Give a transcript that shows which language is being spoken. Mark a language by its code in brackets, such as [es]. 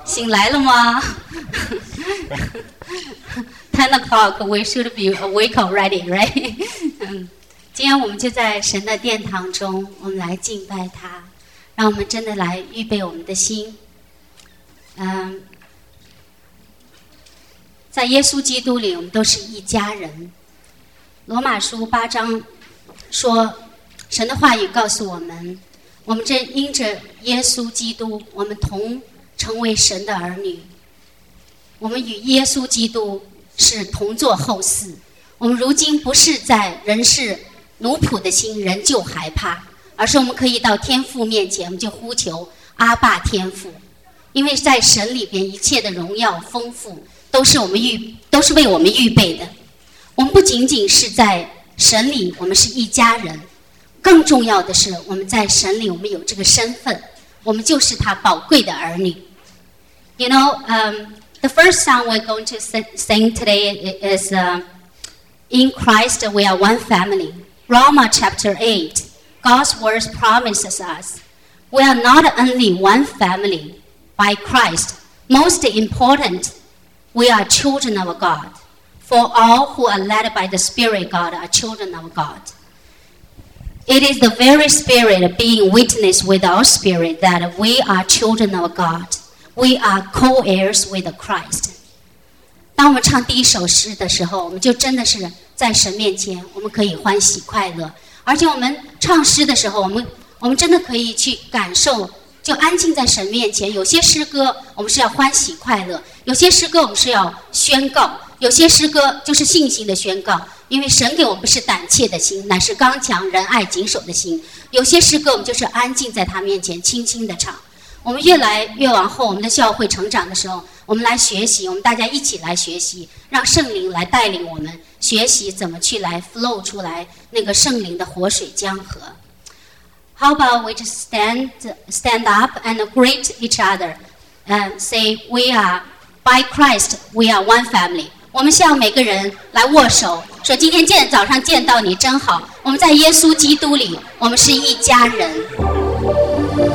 [zh] 醒来了吗？ [en] 10 o'clock, we should be awake already, right? [zh] 今天我们就在神的殿堂中，我们来敬拜他，让我们真的来预备我们的心。在耶稣基督里，我们都是一家人。罗马书八章说，神的话语告诉我们，我们正因着耶稣基督，我们同成为神的儿女，我们与耶稣基督是同坐后嗣。我们如今不是在人世奴仆的心仍旧害怕，而是我们可以到天父面前，我们就呼求阿爸天父。因为在神里边一切的荣耀丰富都是为我们预备的。我们不仅仅是在神里我们是一家人，更重要的是我们在神里我们有这个身份，我们就是他宝贵的儿女。 [en] You know, the first song we're going to sing today is In Christ We Are One Family, Romans chapter 8. God's words promises us we are not only one family by Christ. Most important, we are children of God. For all who are led by the Spirit of God are children of God. It is the very Spirit being witness with our spirit that we are children of God. We are co-heirs with Christ. [zh] 当我们唱第一首诗的时候，我们就真的是在神面前，我们可以欢喜快乐。而且我们唱诗的时候，我们真的可以去感受，就安静在神面前。有些诗歌我们是要欢喜快乐，有些诗歌我们是要宣告，有些诗歌就是信心的宣告。因为神给我们不是胆怯的心，乃是刚强仁爱谨守的心。有些诗歌我们就是安静在他面前轻轻地唱。我们越来越往后我们的教会成长的时候，我们来学习，我们大家一起来学习，让圣灵来带领我们学习怎么去来 flow 出来那个圣灵的活水江河。 [en] How about we just stand up and greet each other and say we are by Christ we are one family。 [zh] 我们向每个人来握手，说今天见早上见到你真好，我们在耶稣基督里我们是一家人。